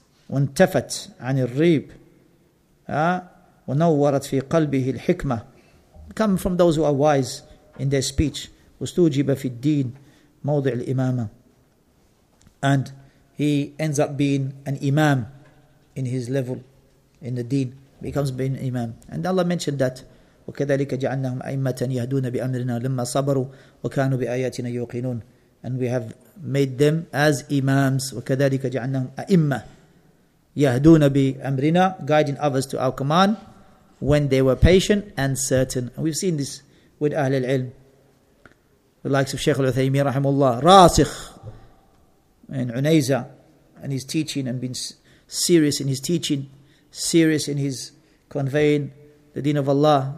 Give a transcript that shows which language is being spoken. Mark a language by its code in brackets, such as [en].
[ar] وَانْتَفَتْ عَنِ الرِّيبِ وَنَوَّرَتْ فِي قَلْبِهِ الْحِكْمَةِ. [en] Come from those who are wise in their speech. [ar] وَسْتُوجِبَ فِي الدِّينِ مَوْضِعِ الْإِمَامَةِ. [en] And he ends up being an imam in his level, in the deen, becomes being an imam. And Allah mentioned that, [ar] وَكَذَلِكَ جَعَلْنَاهُمْ أَئِمَّةً يَهْدُونَ بِأَمْرِنَا لَمَّا صَبَرُوا وَكَانُوا بِآيَاتِنَا يُوقِنُونَ. [en] And we have made them as imams. [ar] وَكَذَلِكَ جَعَلْنَاهُمْ أَئِمَّةً يَهْدُونَ بِأَمْرِنَا, [en] guiding others to our command when they were patient and certain. And we've seen this with Ahl al-Ilm. The likes of Shaykh al-Uthaymeen rahimullah, Rasikh in Unayza, and his teaching, and been serious in his teaching, serious in his conveying the deen of Allah.